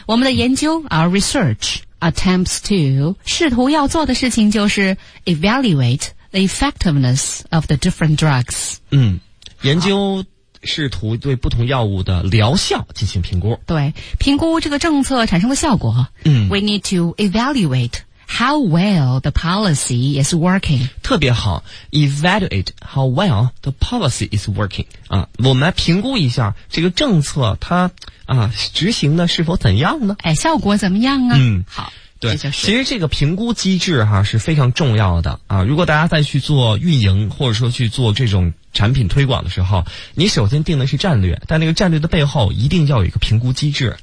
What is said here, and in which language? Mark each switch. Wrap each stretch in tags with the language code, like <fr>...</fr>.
<zh>我们的研究</zh> <en>our research。Attempts to</en> <zh>试图要做的事情就是</zh> <en>evaluate the effectiveness of the different drugs。</en> <zh>嗯，研究试图对不同药物的疗效进行评估。对，评估这个政策产生的效果。嗯</zh> <en>，We need to evaluate how well the policy is working。</en> <zh>特别好</zh> <en>，evaluate how well the policy is working。</en> <zh>啊，我们来评估一下这个政策它。啊，执行的是否怎样呢？哎，效果怎么样啊？嗯，好，对，就是、其实这个评估机制哈、啊、是非常重要的啊。如果大家再去做运营，或者说去做这种产品推广的时候，你首先定的是战略，但那个战略的背后一定要有一个评估机制</zh>